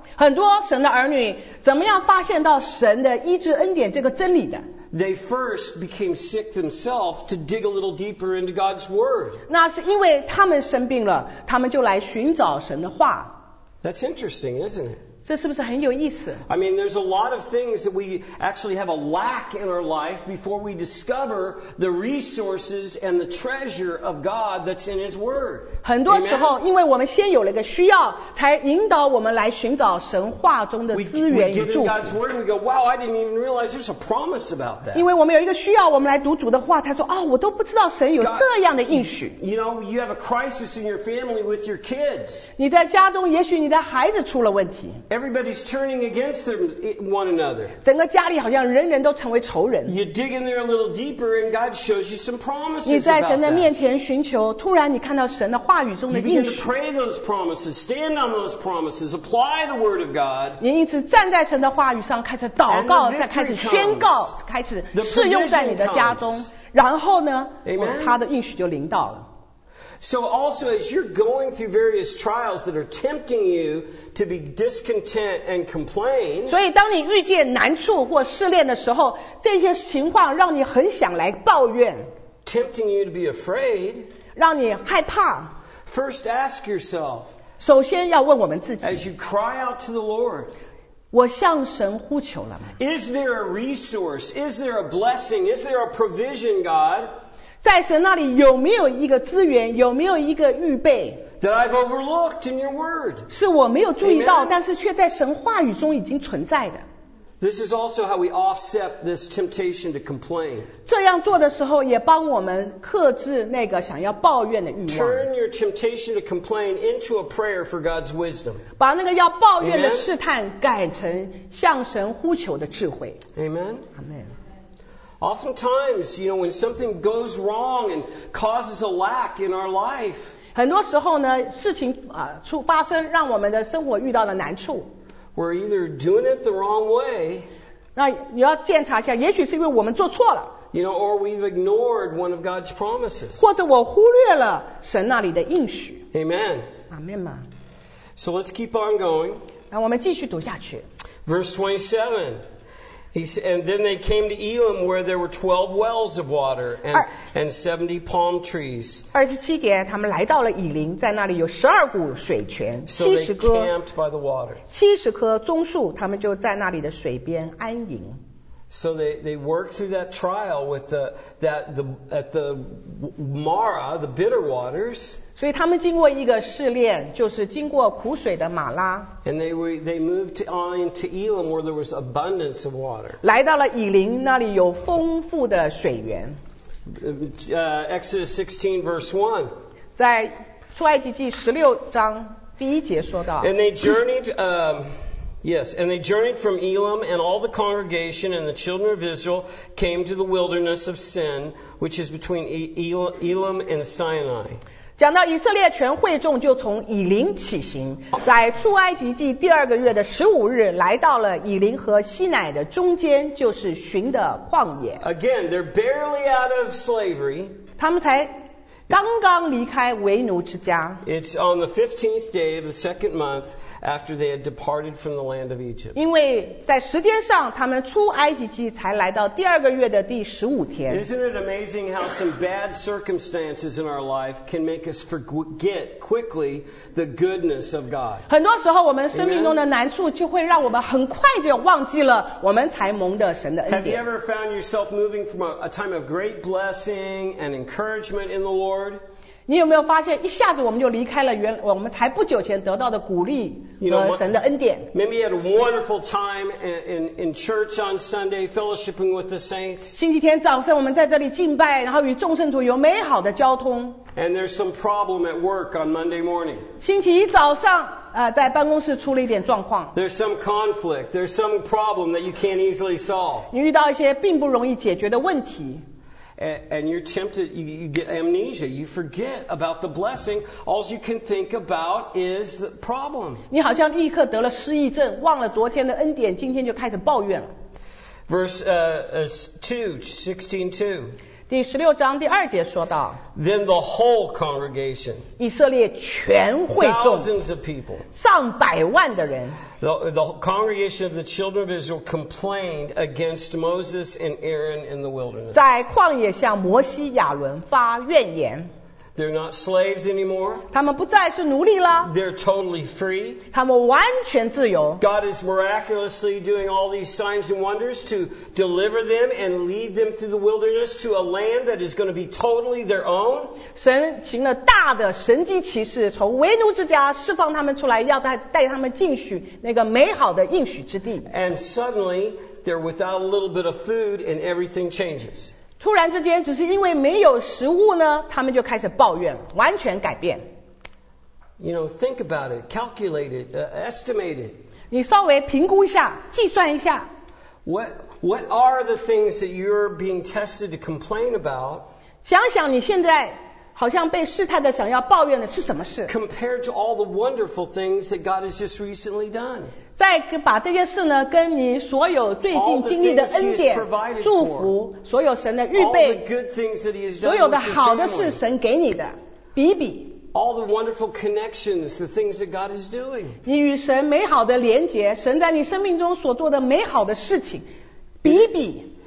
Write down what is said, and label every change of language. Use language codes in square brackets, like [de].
[zh] 很多神的儿女怎么样发现到神的医治恩典这个真理的？ [en] They first became sick themselves to dig a little deeper into God's word. [zh] 那是因为他们生病了，他们就来寻找神的话。 [en] That's interesting, isn't it? [zh] 这是不是很有意思？ [en] I mean, there's a lot of things that we actually have a lack in our life before we discover the resources and the treasure of God that's in His Word. [zh] 很多时候，因为我们先有了一个需要，才引导我们来寻找神话中的资源与祝福。 [en] We get in God's Word and we go, wow, I didn't even realize there's a promise about that. [zh] 因为我们有一个需要，我们来读主的话，才说，哦，我都不知道神有这样的应许。 [en] You know, you have a crisis in your family with your kids. [zh] 你在家中，也许你的孩子出了问题。 [en] Everybody's turning against one another. [zh] 整个家里好像人人都成为仇人。 [en] You dig in there a little deeper, and God shows you some promises about that. [zh] 你在神的面前寻求，突然你看到神的话语中的应许。 [en] You begin to pray those promises, stand on those promises, apply the word of God. [zh] 你因此站在神的话语上开始祷告，再开始宣告，开始适用在你的家中。然后呢，他的应许就临到了。 [en] So also as you're going through various trials that are tempting you to be discontent and complain. [zh] 所以当你遇见难处或试炼的时候，这些情况让你很想来抱怨。 [en] Tempting you to be afraid. [zh] 让你害怕。 [en] First ask yourself. [zh] 首先要问我们自己。 [en] As you cry out to the Lord. [zh] 我向神呼求了吗？ [en] Is there a resource? Is there a blessing? Is there a provision, God? [zh] 在神那里有没有一个资源，有没有一个预备 [en] ？That I've overlooked in your word. [zh] 是我没有注意到，但是却在神话语中已经存在的。 [en] This is also how we offset this temptation to complain. [zh] 这样做的时候，也帮我们克制那个想要抱怨的欲望。 [en] Turn your temptation to complain into a prayer for God's wisdom. [zh] 把那个要抱怨的试探改成向神呼求的智慧。 [en] Amen. Amen. Oftentimes, you know, when something goes wrong and causes a lack in our life, [zh] 很多时候呢，事情啊出发生，让我们的生活遇到了难处。 [en] We're either doing it the wrong way. [zh] 那你要检查一下，也许是因为我们做错了。 [en] You know, or we've ignored one of God's promises. [zh] 或者我忽略了神那里的应许。 [en] Amen. Amen. So let's keep on going. [zh] 那我们继续读下去。 [en] Verse 27. And then they came to Elim where there were 12 wells of water and 70 palm trees. [zh] 27节他们来到了以林在那里有12股水泉70棵 [en] So they camped by the water. [zh] 70棵棕树他们就在那里的水边安营。 [en] So they worked through that trial with at the Marah, the bitter waters. [zh] 所以他们经过一个试炼，就是经过苦水的马拉。 [en] And they moved on to Elim where there was abundance of water. [zh] 来到了以林，那里有丰富的水源。 [en] Exodus 16 verse 1. [zh] 在出埃及记16章第一节说到。 [en] And they journeyed, Yes, and they journeyed from Elim, and all the congregation and the children of Israel came to the wilderness of Sin, which is between Elim and Sinai. [zh] 讲到以色列全会众就从以林起行，在出埃及记第二个月的十五日，来到了以林和西乃的中间，就是旬的旷野。 [en] Again, they're barely out of slavery. [zh] 他们才刚刚离开为奴之家。 [en] It's on the 15th day of the second month after they had departed from the land of Egypt. [zh] 因为在时间上，他们出埃及记才来到第二个月的第十五天。 [en] Isn't it amazing how some bad circumstances in our life can make us forget quickly the goodness of God? [zh] 很多时候，我们生命中的难处就会让我们很快就忘记了我们才蒙的神的恩典。 [en] Have you ever found yourself moving from a time of great blessing and encouragement in the Lord? [zh] 你有没有发现一下子我们就离开了原我们才不久前得到的鼓励和神的恩典 [en] Maybe you had a wonderful time in church on Sunday fellowshipping with the saints [zh] 星期天早上我们在这里敬拜然后与众圣徒有美好的交通 [en] And there's some problem at work on Monday morning [zh] 星期一早上在办公室出了一点状况 [en] There's some conflict There's some problem that you can't easily solve [zh] 你遇到一些并不容易解决的问题 [en] And you're tempted, you get amnesia, you forget about the blessing, all you can think about is the problem. [zh] 你好像立刻得了失忆症，忘了昨天的恩典，今天就开始抱怨了。 [en] Verse 2, 16:2. [zh] 第十六章第二节说到。 [en] Then the whole congregation. [zh] 以色列全会众。 [en] Thousands of people. [zh] 上百万的人。 [en] The congregation of the children of Israel complained against Moses and Aaron in the wilderness. [zh] 在旷野向摩西亚伦发怨言。 [en] They're not slaves anymore. [zh] 他们不再是奴隶了。 [en] They're totally free. [zh] 他们完全自由。 [en] God is miraculously doing all these signs and wonders to deliver them and lead them through the wilderness to a land that is going to be totally their own. [zh] 神行了大的神迹奇事，从为奴之家释放他们出来，要带他们进去那个美好的应许之地。 [en] And suddenly, they're without a little bit of food and everything changes. [zh] 突然之间只是因为没有食物呢他们就开始抱怨完全改变 [en] You know, think about it, calculate it, estimate it [zh] 你稍微评估一下计算一下 [en] What are the things that you're being tested to complain about [zh] 想想你现在好像被试探的想要抱怨的是什么事 [en] Compared to all the wonderful things that God has just recently done [zh] 再把这件事呢跟你所有最近经历的恩典祝福所有神的预备所有的好的事神给你的比比 [en] All the wonderful connections, the things that God is doing [zh] 你与神美好的连结神在你生命中所做的美好的事情比比